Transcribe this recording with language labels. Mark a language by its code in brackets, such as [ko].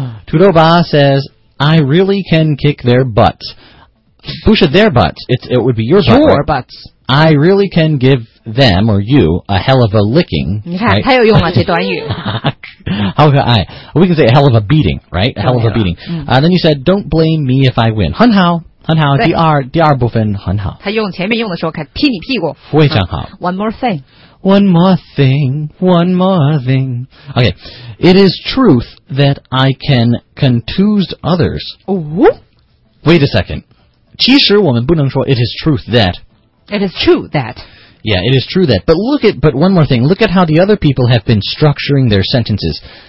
[en] 土豆爸 says, "I really can kick their butts." push their butts. It would be your butt. Your butts. I really can give them, or you, a hell of a licking. [zh] 你看,他又用了这段语。 [en] How could I? We can say a hell of a beating, right? A hell of a beating. And then you said, don't blame me if I win. [zh] 很好,很好, 第二部分很好。他用前面用的时候,替你屁股。非常好。 [en] One more thing. One more thing, one more thing. Okay, it is truth that I can contuse others. Ooh. Wait a second. [zh] 其实我们不能说 [en] it is truth that. It is true that. Yeah, it is true that. But one more thing. Look at how the other people have been structuring their sentences.